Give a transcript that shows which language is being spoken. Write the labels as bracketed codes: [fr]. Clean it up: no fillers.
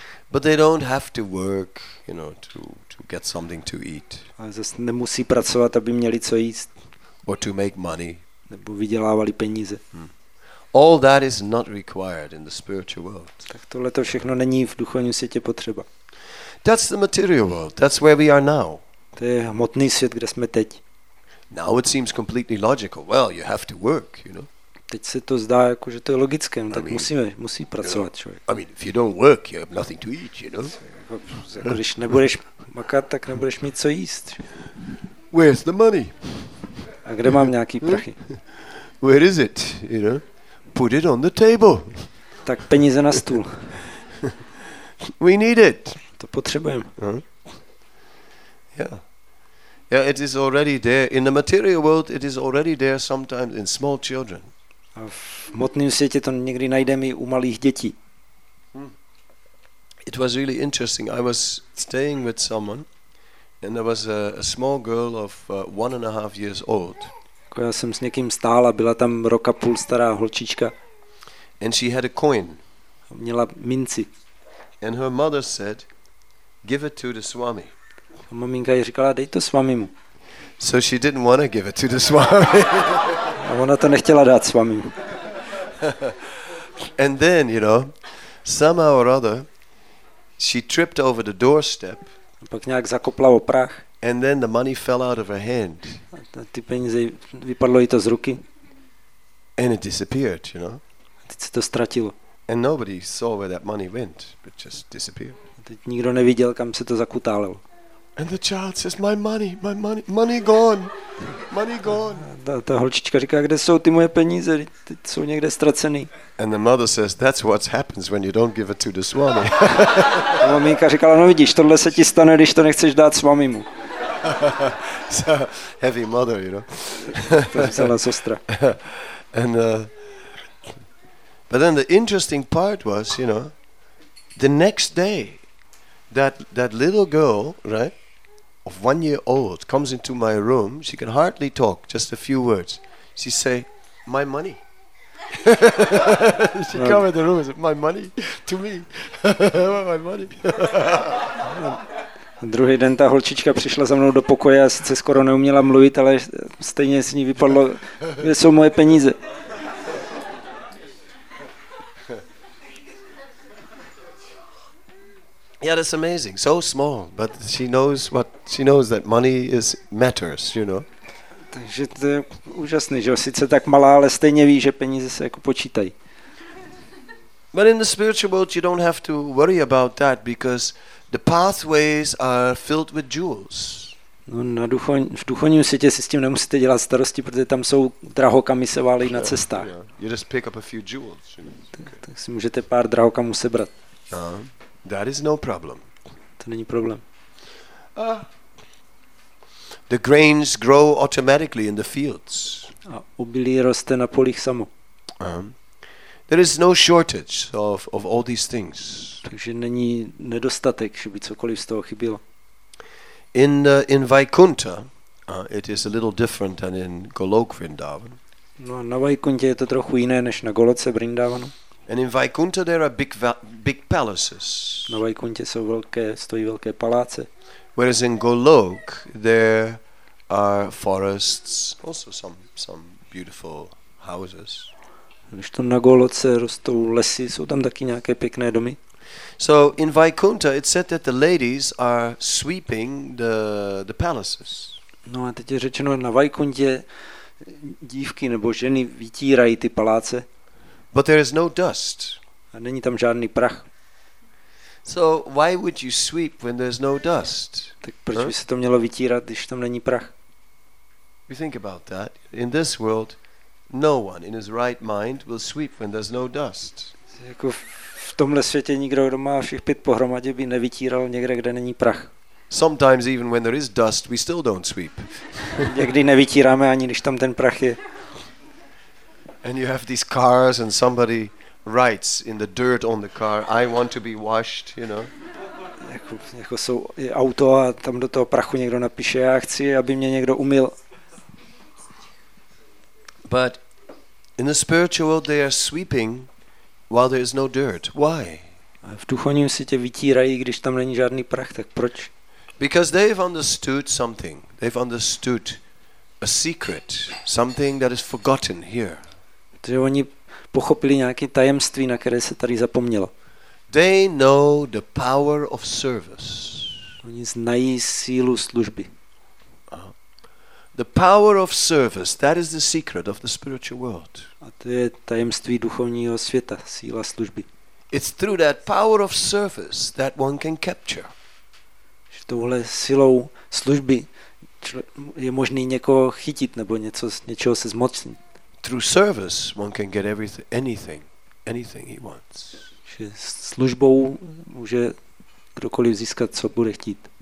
[en] But they don't have to work, you know, to get something to eat. [cs] Ale zase nemusí pracovat, aby měli co jíst. [en] Or to make money. [cs] Nebo vydělávali peníze. [en] All that is not required in the spiritual world. [cs] Tak tohle to všechno není v duchovním světě potřeba. [en] That's the material world. That's where we are now. [cs] To je hmotný svět, kde jsme teď. [en] Now it seems completely logical. Well, you have to work, you know. [cs] Teď se to zdá jako, že to je logické, no, tak [en] mean, [cs] musí pracovat, [en] you know, [cs] člověk. [en] I mean, if you don't work, you have nothing to eat, you know. [cs] Když nebudeš makat, tak nebudeš mít co jíst. [en] Where's the money? [cs] A kde mám nějaký prachy? [en] Where is it, you know? Put it on the table. [cs] Tak peníze na stůl. [en] We need it. [cs] To potřebujeme. [en] Yeah. Yeah, it is already there in the material world. It is already there sometimes in small children. [cs] A v hmotném světě to někdy najdeme i u malých dětí. [en] It was really interesting. I was staying with someone and there was a small girl of 1.5 years old. [cs] Já jsem s někým stál a byla tam roka půl stará holčička. [en] And she had a coin. [cs] Měla minci. [en] And her mother said, give it to the Swami. [cs] A maminka jí říkala, dej to Swamimu. [en] So she didn't want to give it to the Swami. [cs] A ona to nechtěla dát Swamimu. [en] And then, you know, somehow or other, she tripped over the doorstep. [cs] A pak nějak zakopla o prach. [en] And then the money fell out of her hand. [cs] A ty peníze vypadlo jí to z ruky. [en] And it disappeared, you know. [cs] A teď se to ztratilo. [en] And nobody saw where that money went. It just disappeared. [cs] A teď nikdo neviděl, kam se to zakutálelo. [en] And the child says, my money gone. Money gone. [cs] Ta holčička říká, kde jsou ty moje peníze? Teď jsou někde ztracený. [en] And the mother says, that's what happens when you don't give it to the Swami. [cs] A maminka říkala, no vidíš, tohle se ti stane, když to nechceš dát Swamimu. [en] So, heavy mother, you know. [cs] To vzala sestra. [en] But then the interesting part was, you know, the next day, that little girl, right, of 1 year old, comes into my room. She can hardly talk, just a few words. She say, my money. She no. Come in the room and said, my money to me. My money. [cs] Druhý den ta holčička přišla za mnou do pokoje a sice skoro neuměla mluvit, ale stejně s ní vypadlo, kde jsou moje peníze. [en] Yeah, that's amazing. So small, but she knows what she knows that money is matters, you know. [cs] Takže to je úžasný, že sice tak malá, ale stejně ví, že peníze se jako počítají. [en] But in the spiritual world, you don't have to worry about that because the pathways are filled with jewels. [cs] No, v duchovním světě si s tím nemusíte dělat starosti, protože tam jsou drahokamy se válí na cestách. [en] You just pick up a few jewels. [cs] Tak si můžete pár drahokamů sebrat. [en] That is no problem. [cs] To není problém. [en] The grains grow automatically in the fields. [cs] A obilí roste na polích samo. [en] There is no shortage of all these things. [cs] Takže není nedostatek, že by cokoliv z toho chybilo. [en] In Vaikuntha, it is a little different than in Golok Vrindavan. [cs] No, na Vaikuntě je to trochu jiné než na Goloce Vrindavanu. [en] And in Vaikuntha there are big palaces. [cs] Na Vaikuntě jsou velké, stojí velké paláce. [en] Whereas in Golok there are forests, also some beautiful houses. [cs] Když to na Goloce rostou lesy, jsou tam taky nějaké pěkné domy. [en] So in Vaikuntha it's said that the ladies are sweeping the palaces. [cs] No a teď je řečeno, na Vaikuntě dívky nebo ženy vytírají ty paláce. [en] But there is no dust. [cs] A není tam žádný prach. [en] So why would you sweep when there's no dust? [cs] Tak proč by se to mělo vytírat, když tam není prach? [en] You think about that. In this world no one in his right mind will sweep when there's no dust. [cs] Jako v tomhle světě nikdo, kdo má všech pět pohromadě, by nevytíral někde, kde není prach. [en] Sometimes even when there is dust, we still don't sweep. [cs] Někdy nevytíráme ani když tam ten prach je. [en] And you have these cars and somebody writes in the dirt on the car, I want to be washed, you know. [cs] Jako jsou auto a tam do toho prachu někdo napíše, já chci, aby mě někdo umyl. [en] But in the spiritual world they are sweeping while there is no dirt. Why? [cs] V duchovním světě vytírají, když tam není žádný prach, tak proč? [en] Because they've understood something. They've understood a secret, something that is forgotten here. [cs] Že oni pochopili nějaké tajemství, na které se tady zapomnělo. [en] They know the power of service. [cs] Oni znají sílu služby. [en] The power of service, that is the secret of the spiritual world. [cs] A to je tajemství duchovního světa, síla služby. [en] It's through that power of service that one can capture. [cs] Že touhle silou služby je možný někoho chytit nebo něčeho se zmocnit. [en] Through service one can get anything he wants. [cs] Že službou může kdokoliv získat, co bude chtít.